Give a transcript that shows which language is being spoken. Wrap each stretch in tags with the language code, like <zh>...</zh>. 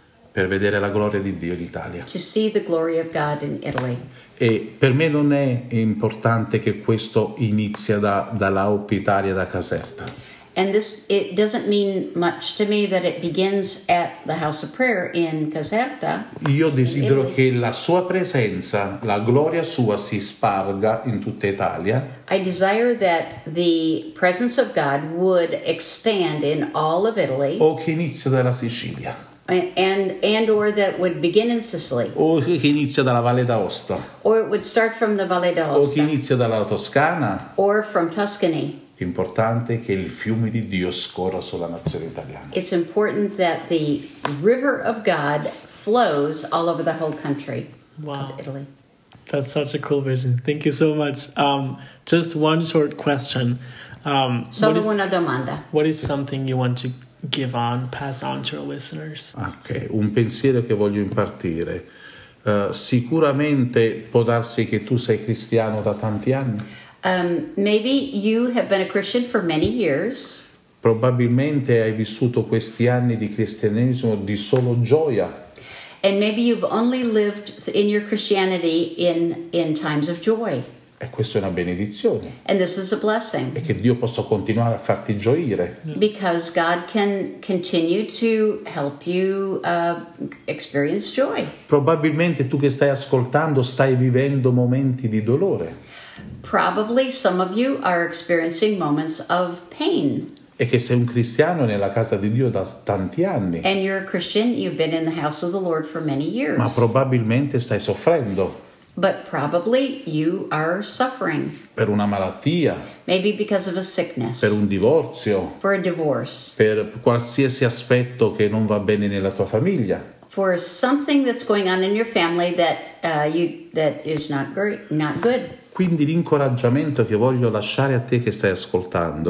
<it>Per vedere la gloria di Dio in Italia.</it> <en>To see the glory of God in Italy.</en> <it>E per me non è importante che questo inizia dalla OP Italia da Caserta.</it> <en>And this, it doesn't mean much to me that it begins at the House of Prayer in Caserta.</en> <it>Io desidero che la sua presenza, la gloria sua, si sparga in tutta Italia.</it> <en>I desire that the presence of God would expand in all of Italy.</en> <it>O che inizia dalla Sicilia.</it> <en>And or that would begin in Sicily.</en> <it>O che inizia dalla Valle d'Aosta.</it> <en>Or it would start from the Valle d'Aosta.</en> <it>O che inizia dalla Toscana.</it> <en>Or from Tuscany.</en> <it>Importante che il fiume di Dio scorra sulla nazione italiana.</it> <en>It's important that the river of God flows all over the whole country. Wow. Of Italy. That's such a cool vision. Thank you so much. Just one short question.</en> <it>Solo una domanda.</it> <en>What is something you want to give on, pass on to our listeners?</en> <it>Ok, un pensiero che voglio impartire. Sicuramente può darsi che tu sei cristiano da tanti anni.</it> <en>Maybe you have been a Christian for many years.</en> <it>Probabilmente hai vissuto questi anni di cristianesimo di solo gioia.</it> <en>And maybe you've only lived in your Christianity in times of joy.</en> <it>E questa è una benedizione.</it> <en>And this is a blessing.</en> <it>E che Dio possa continuare a farti gioire.</it> <en>Because God can continue to help you experience joy.</en> <it>Probabilmente tu che stai ascoltando stai vivendo momenti di dolore.</it> <en>Probably some of you are experiencing moments of pain.</en> <it>E che sei un cristiano nella casa di Dio da tanti anni.</it> <en>And you're a Christian, you've been in the house of the Lord for many years.</en> <it>Ma probabilmente stai soffrendo.</it> <en>But probably you are suffering.</en> <it>Per una malattia.</it> <en>Maybe because of a sickness.</en> <it>Per un divorzio.</it> <en>For a divorce.</en> <it>Per qualsiasi aspetto che non va bene nella tua famiglia.</it> <en>For something that's going on in your family that is not great, not good.</en> <it>Quindi l'incoraggiamento che voglio lasciare a te che stai ascoltando.</it>